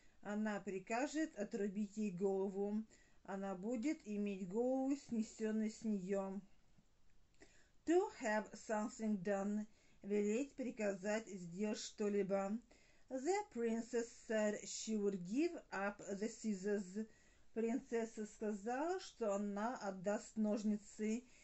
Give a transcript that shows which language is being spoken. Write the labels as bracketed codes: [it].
[ru] Она прикажет отрубить ей голову. Она будет иметь голову, снесенную с нее. [en] To have something done. [ru] Велеть, приказать, сделать что-либо. [en] The princess said she would give up the scissors. [ru] Принцесса сказала, что она отдаст ножницы.